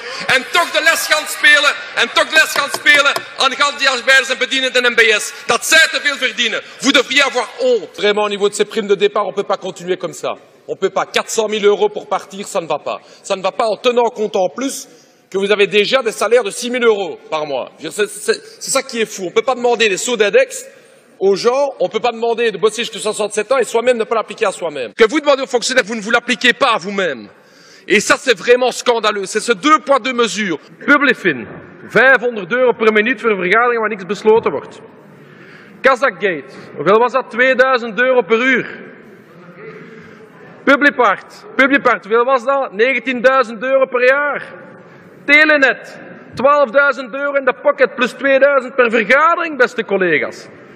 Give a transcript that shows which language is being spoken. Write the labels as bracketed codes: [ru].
[nl] En toch de les gaan spelen, aan geldjaarsbeheerders en bedienenden en MBS. Dat zij te veel verdienen. [fr] Vous devriez avoir honte. Vraiment, au niveau de ces primes de départ, on peut pas continuer comme ça. On peut pas. 400 000 euros pour partir, ça ne va pas. Ça ne va pas en tenant compte en plus que vous avez déjà des salaires de 6 000 euros par mois. C'est ça qui est fou. On peut pas demander des sauts d'index aux gens, on ne peut pas demander de bosser jusqu'à 67 ans et soi-même ne pas l'appliquer à soi-même. Que vous demandez aux fonctionnaires, vous ne vous l'appliquez pas à vous-même. Et ça, c'est vraiment scandaleux. C'est ce deux poids, deux mesures. [nl] Publifin, 500 euro per minuut voor een vergadering waar niks besloten wordt. Kazakhgate, hoeveel was dat? 2000 euro per uur. Publipart, hoeveel was dat? 19.000 euro per jaar. Telenet, 12.000 euro in de pocket plus 2000 per vergadering, beste collega's.